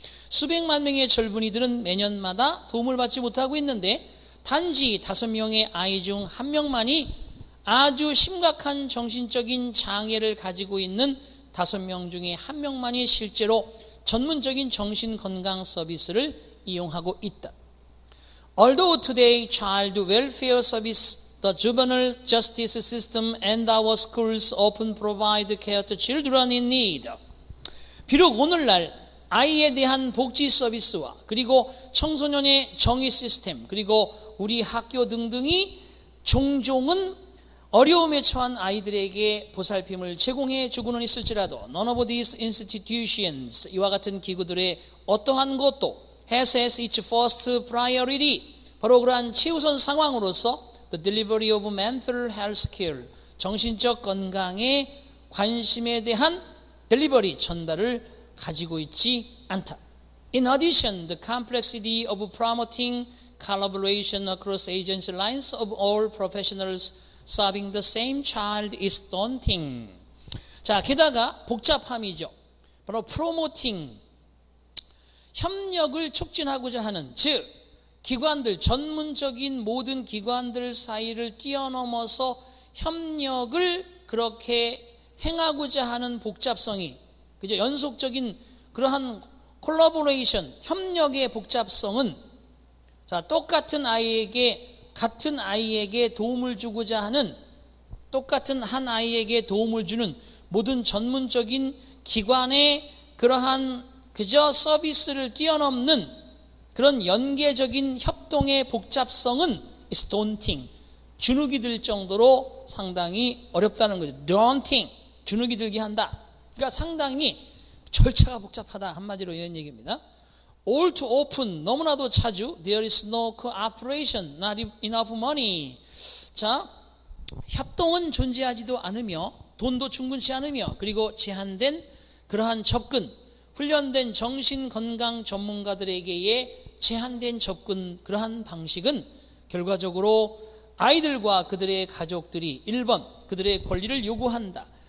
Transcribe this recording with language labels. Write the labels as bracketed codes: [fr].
[ko] 수백만 명의 젊은이들은 매년마다 도움을 받지 못하고 있는데 단지 다섯 명의 아이 중 한 명만이 아주 심각한 정신적인 장애를 가지고 있는 다섯 명 중에 한 명만이 실제로 전문적인 정신건강 서비스를 이용하고 있다. [en] Although today child welfare service, the juvenile justice system and our schools often provide care to children in need. [ko] 비록 오늘날 아이에 대한 복지 서비스와 그리고 청소년의 정의 시스템 그리고 우리 학교 등등이 종종은 어려움에 처한 아이들에게 보살핌을 제공해 주고는 있을지라도 [en] none of these institutions [ko] 이와 같은 기구들의 어떠한 것도 [en] has as its first priority [ko] 바로 그러한 최우선 상황으로서 [en] the delivery of mental health care [ko] 정신적 건강에 관심에 대한 delivery 전달을 가지고 있지 않다. [en] In addition, the complexity of promoting collaboration across agency lines of all professionals serving the same child is daunting. [ko] 자, 게다가 복잡함이죠. 바로 promoting, 협력을 촉진하고자 하는, 즉 기관들, 전문적인 모든 기관들 사이를 뛰어넘어서 협력을 그렇게 행하고자 하는 복잡성이 그죠? 연속적인 그러한 콜라보레이션, 협력의 복잡성은 자, 똑같은 아이에게 같은 아이에게 도움을 주고자 하는 똑같은 한 아이에게 도움을 주는 모든 전문적인 기관의 그러한 그저 서비스를 뛰어넘는 그런 연계적인 협동의 복잡성은 [en] is daunting. [ko] 주눅이 들 정도로 상당히 어렵다는 거죠. daunting. 주눅이 들게 한다. 그러니까 상당히 절차가 복잡하다. 한마디로 이런 얘기입니다. [en] All too often, [ko] 너무나도 자주, [en] there is no cooperation, not enough money. [ko] 자, 협동은 존재하지도 않으며, 돈도 충분치 않으며, 그리고 제한된 그러한 접근, 훈련된 정신건강 전문가들에게의 제한된 접근, 그러한 방식은 결과적으로 아이들과 그들의 가족들이 1번, 그들의 권리를 요구한다.